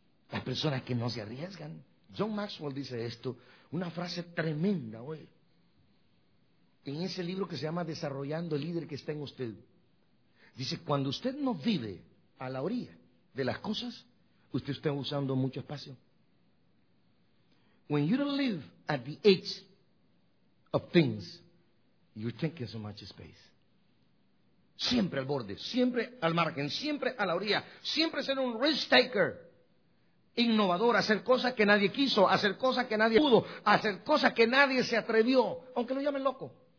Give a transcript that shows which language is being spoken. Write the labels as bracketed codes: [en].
[es] Las personas que no se arriesgan. John Maxwell dice esto, una frase tremenda hoy. En ese libro que se llama Desarrollando el Líder que está en usted. Dice, cuando usted no vive a la orilla de las cosas, usted está usando mucho espacio. [en] When you don't live at the edge of things, you're taking so much space. [es] Siempre al borde, siempre al margen, siempre a la orilla, siempre ser un risk taker, innovador, hacer cosas que nadie quiso, hacer cosas que nadie pudo, hacer cosas que nadie se atrevió, aunque lo llamen loco.